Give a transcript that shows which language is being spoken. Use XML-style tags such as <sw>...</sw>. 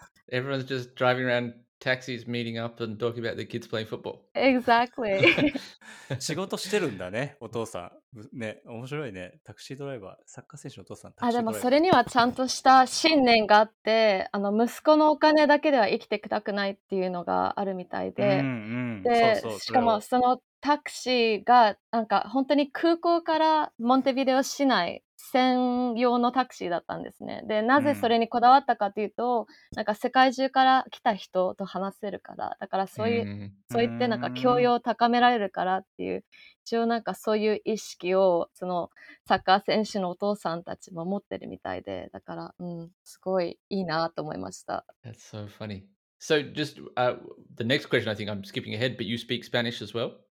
<en>Everyone's just driving around taxis, meeting up and talking about the kids playing football. Exactly.</en> <ja>仕事してるんだね、お父さん。ね、面白いね。タクシードライバー、サッカー選手のお父さん、あ、でもそれにはちゃんとした信念があって、あの息子のお金だけでは生きてくたくないっていうのがあるみたいで、うんうん、でそうそう、しかもそのタクシーがなんか本当に空港からモンテビデオ市内専用のタクシーだったんですね。で、なぜそれにこだわったかというと、うん、なんか世界中から来た人と話せるから、だからそういう、そういってなんか教養を高められるからっていう、一応なんかそういう意識をそのサッカー選手のお父さんたちも持ってるみたいで、だから、うん、すごいいいなと思いました。</ja> <en>That's so funny. So just、the next question, I think I'm skipping ahead, but you speak Spanish as well?</en>